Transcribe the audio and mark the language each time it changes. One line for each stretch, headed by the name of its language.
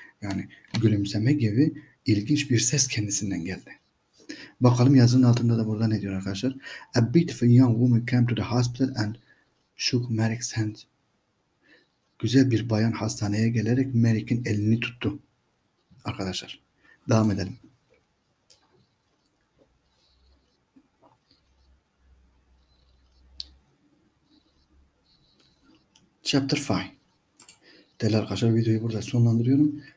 Turkish: Yani gülümseme gibi ilginç bir ses kendisinden geldi. Bakalım yazının altında da burada ne diyor arkadaşlar.
English: A beautiful young woman came to the hospital and shook Merrick's hand.
Turkish: Güzel bir bayan hastaneye gelerek Merrick'in elini tuttu. Arkadaşlar devam edelim. G. Chapter 5. Değerli arkadaşlar, videoyu burada sonlandırıyorum.